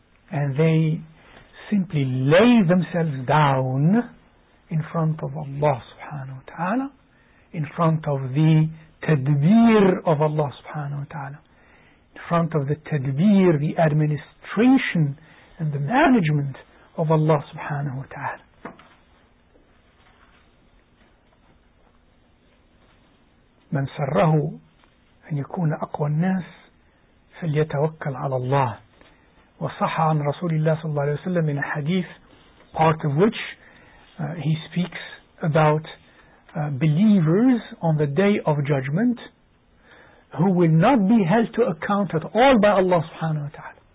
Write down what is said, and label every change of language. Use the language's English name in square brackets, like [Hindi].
[English] And they simply lay themselves down in front of Allah subhanahu wa ta'ala, in front of the tadbir of Allah subhanahu wa ta'ala, in front of the tadbir, the administration and the management of Allah subhanahu wa ta'ala. [Arabic] من سره أن يكون أقوى الناس فليتوكل على الله. وصح عن رسول الله صلى الله عليه وسلم من حديث, [English] part of which he speaks about believers on the day of judgment who will not be held to account at all by Allah subhanahu wa ta'ala.